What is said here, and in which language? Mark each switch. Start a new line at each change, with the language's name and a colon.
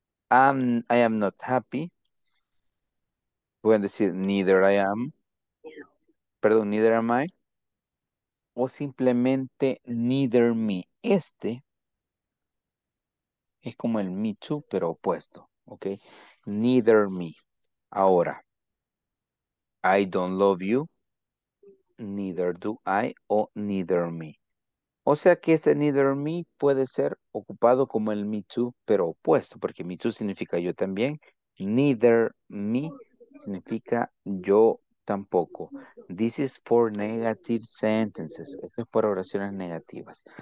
English: I am not happy.
Spanish: Pueden decir
English: neither I am.
Spanish: Perdón,
English: neither am I.
Spanish: O simplemente
English: neither me.
Spanish: Este es como el
English: me too,
Spanish: pero opuesto.
English: Ok, neither me.
Spanish: Ahora,
English: I don't love you, neither do I, o neither me.
Spanish: O sea que ese
English: neither me
Spanish: puede ser ocupado como el
English: me too,
Spanish: pero opuesto, porque me too significa yo también.
English: Neither me
Spanish: significa yo tampoco.
English: This is for negative sentences.
Spanish: Esto es para oraciones negativas.